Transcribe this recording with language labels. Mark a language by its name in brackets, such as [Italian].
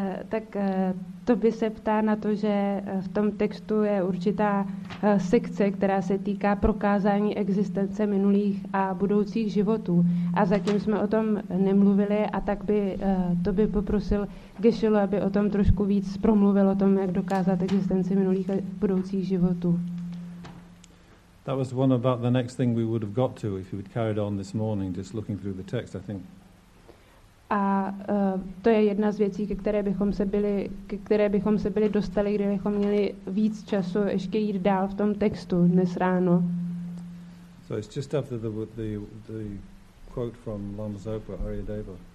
[Czech] Tak to by se ptá na to, že v tom textu je určitá sekce, která se týká prokázání existence minulých a budoucích životů. A zatím jsme o tom nemluvili a tak by to by poprosil Geshe-lu, aby o tom trošku víc promluvil, o tom, jak dokázat existenci minulých a budoucích životů. [English] That was one about the next thing we would have got to if you had carried on this morning just looking through the text, I think. [Czech] A to je jedna z věcí, ke které bychom se byli dostali, kdybychom měli víc času ještě jít dál v tom textu dnes ráno. [English] So it's just after the quote from Lama Zopa Aryadeva.